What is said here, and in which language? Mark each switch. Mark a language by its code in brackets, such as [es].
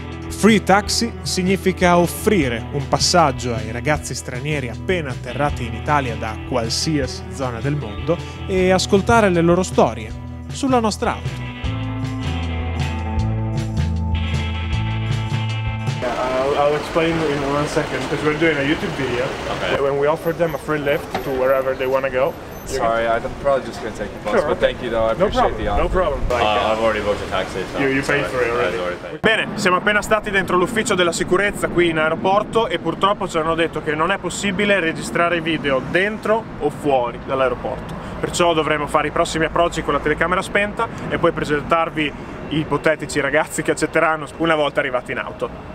[it] Free taxi significa offrire un passaggio ai ragazzi stranieri appena atterrati in Italia da qualsiasi zona del mondo e ascoltare le loro storie sulla nostra auto. [en] I'll explain in one second, because we're doing a YouTube video. Okay. When we offer them a free lift to wherever they want to go. Sorry, I'm probably just going to take the bus, sure, but okay. Thank you though, I appreciate the offer. No problem, like, I've already booked a taxi. So you paid for it already. [it] Bene, siamo appena stati dentro l'ufficio della sicurezza qui in aeroporto e purtroppo ci hanno detto che non è possibile registrare video dentro o fuori dall'aeroporto. Perciò dovremo fare i prossimi approcci con la telecamera spenta e poi presentarvi gli ipotetici ragazzi che accetteranno una volta arrivati in auto.